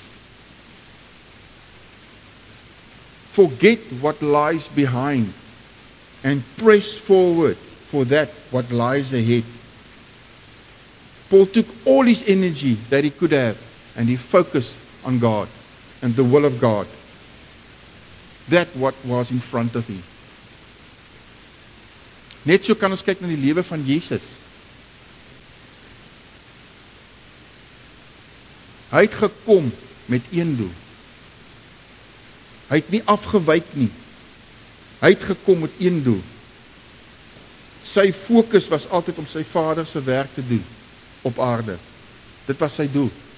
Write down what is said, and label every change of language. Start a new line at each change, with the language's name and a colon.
English: Forget what lies behind and press forward for that what lies ahead. Paul took all his energy that he could have and he focused on God and the will of God. That what was in front of him.
Afrikaans: Net so kan ons kyk na die lewe van Jesus. Hy het gekom met een doel. Hy het nie afgewyk nie. Hy het gekom met een doel. Sy fokus was altyd om sy Vader se werk te doen op aarde. Dit was sy doel.